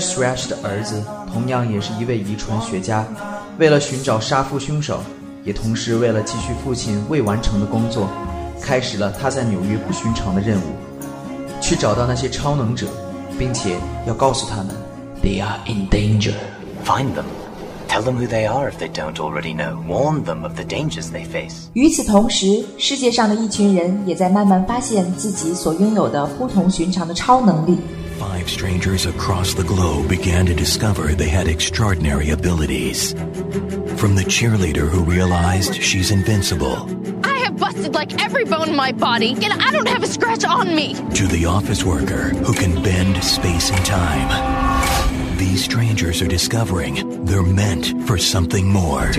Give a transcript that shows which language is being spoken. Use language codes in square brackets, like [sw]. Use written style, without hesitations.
[zh] Suresh 的儿子同样也是一位遗传学家，为了寻找杀父凶手，也同时为了继续父亲未完成的工作，开始了他在纽约不寻常的任务，去找到那些超能者，并且要告诉他们 [en] They are in danger. Find them. Tell them who they are if they don't already know. Warn them of the dangers they face. [zh] 与此同时，世界上的一群人也在慢慢发现自己所拥有的不同寻常的超能力。 [en] Five strangers across the globe began to discover they had extraordinary abilities. From the cheerleader who realized she's invincible. Busted like every bone in my body, and I don't have a scratch on me. To the office worker who can bend space and time, these strangers are discovering they're meant for something more.